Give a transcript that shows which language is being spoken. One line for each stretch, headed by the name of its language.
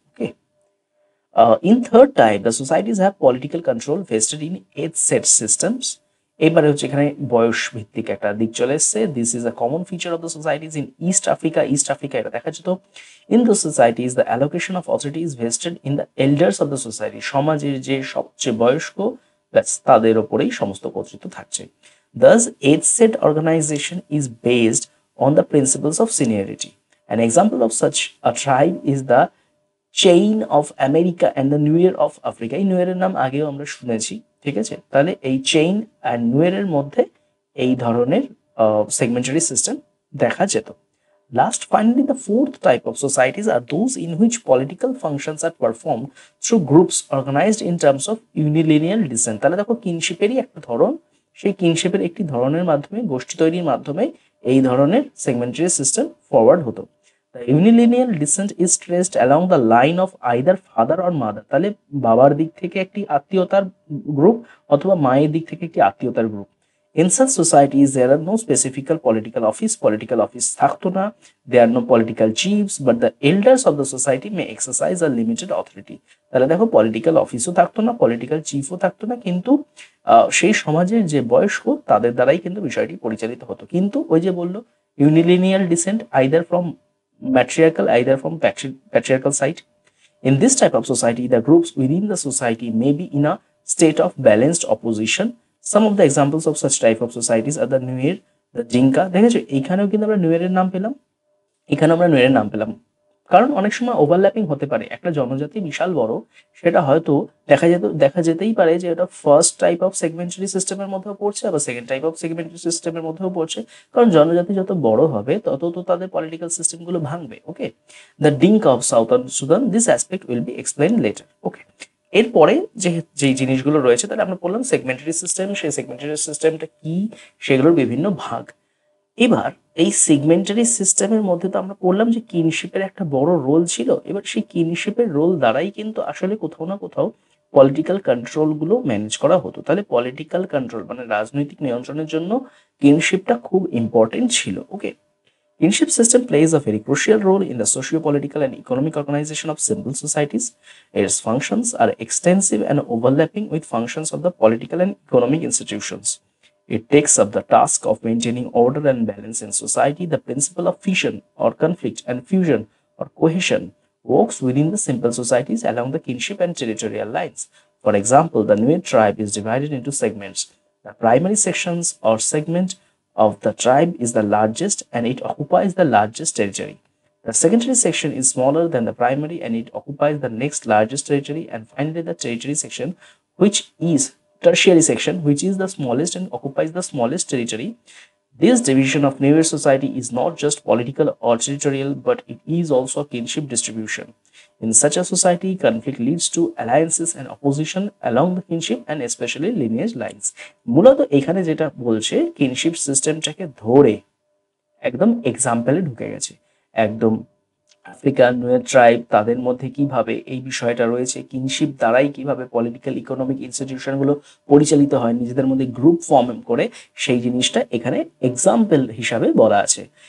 English: okay, in third type the societies have political control vested in age set systems,
Bangla: এবারে হচ্ছে এখানে বয়স ভিত্তিক একটা দিক চলে এসছে।
English: this is a common feature of the societies in East Africa, East Africa
Bangla: এটা দেখা যেত।
English: in the societies the allocation of authority is vested in the elders of the society,
Bangla: সমাজের যে সবচেয়ে বয়স্ক ব্যাস তাদের ওপরেই সমস্ত কর্তৃত্ব থাকছে।
English: Thus, HZ organization is based on the principles of seniority. An example of such a tribe is the chain of America and the Nuer of Africa.
Bangla: এই নুয়ের নাম আগেও আমরা শুনেছি, ঠিক আছে? তাহলে এই chain and Nuer এর মধ্যে এই ধরনের segmentary system দেখা যেত.
English: Last, finally, the fourth type of societies are those in which political functions are performed through groups organized in terms of unilineal descent.
Bangla: তাহলে দেখো kinship-এরই একটা ধরন, সেই kinship-এর একটি ধরনের মাধ্যমে, গোষ্ঠী তৈরির মাধ্যমে এই ধরনের segmentary system forward হতো.
English: The unilineal descent is traced along the line of either father or mother.
Bangla: তাহলে বাবার দিক থেকে একটি আত্মীয়তার গ্রুপ অথবা মায়ের দিক থেকে একটি আত্মীয়তার group.
English: In such societies, there are no specific political office
Bangla: থাকতো না,
English: there are no political chiefs, but the elders of the society may exercise a limited authority.
Bangla: তাহলে দেখো political officeও থাকতো না, political chiefও থাকতো না, কিন্তু সেই সমাজের যে বয়স্ক তাদের দ্বারাই কিন্তু বিষয়টি পরিচালিত হতো. কিন্তু ওই যে বললো
English: unilineal descent either from matriarchal either from patriarchal side. In this type of society, the groups within the society may be in a state of balanced opposition. Some of the examples of such type of societies are the Nuer, the Jinka.
Bangla: দেখেছো এখানেও কিন্তু আমরা Nuer এর নাম পেলাম, এখানে আমরা Nuer এর নাম পেলাম, কারণ অনেক সময় ওভারল্যাপিং হতে পারে. একটা জনজাতি বিশাল বড়, সেটা হয়তো দেখা যেতেই পারে যে এটা ফার্স্ট টাইপ অফ সেগমেন্টারি সিস্টেমের মধ্যেও পড়ছে আবার সেকেন্ড টাইপ অফ সেগমেন্টারি সিস্টেমের মধ্যেও পড়ছে, কারণ জনজাতি যত বড় হবে তত তো তাদের পলিটিক্যাল সিস্টেমগুলো ভাঙবে.
English: Okay, the Dinka of southern Sudan, this aspect will be explain later.
Bangla: ওকে, এরপরে যেই জিনিসগুলো রয়েছে তাহলে আমরা বললাম সেগমেন্টারি সিস্টেম, সেই সেগমেন্টারি সিস্টেমটা কি, সেগুলোর বিভিন্ন ভাগ. এবার এই সেগমেন্টারি সিস্টেমের মধ্যে তো আমরা বললাম যে কিনশিপের একটা বড় রোল ছিল, এবার সেই কিনশিপের রোল দ্বারাই কিন্তু আসলে কোথাও না কোথাও পলিটিক্যাল কন্ট্রোলগুলো ম্যানেজ করা হতো. তাহলে পলিটিক্যাল কন্ট্রোল মানে রাজনৈতিক নিয়ন্ত্রণের জন্য কিনশিপটা খুব ইম্পর্টেন্ট ছিল.
English: Okay, kinship system plays a very crucial role in the socio political and economic organization of simple societies. এর functions are extensive and overlapping with functions of the political and economic institutions. It takes up the task of maintaining order and balance in society. The principle of fission or conflict and fusion or cohesion works within the simple societies along the kinship and territorial lines. For example, the Nuer tribe is divided into segments. The primary sections or segment of the tribe is the largest and it occupies the largest territory. The secondary section is smaller than the primary and it occupies the next largest territory. And finally, the tertiary section, which is tertiary section, which is the smallest and occupies the smallest territory. This division of Nuer society is not just political or territorial, but it is also a kinship distribution. In such a society, conflict leads to alliances and opposition along the kinship and especially lineage lines.
Bangla: মূলত এখানে যেটা বলছে kinship systemটাকে ধরে একদম example-এ ঢুকে গেছে, একদম African Nuer tribe তাদের মধ্যে কিভাবে এই বিষয়টা রয়েছে, কিনশিপ দ্বারাই কিভাবে পলিটিক্যাল ইকোনমিক ইনস্টিটিউশনগুলো পরিচালিত হয় নিজেদের মধ্যে গ্রুপ ফর্ম করে, সেই জিনিসটা এখানে এক্সাম্পল হিসাবে বলা আছে.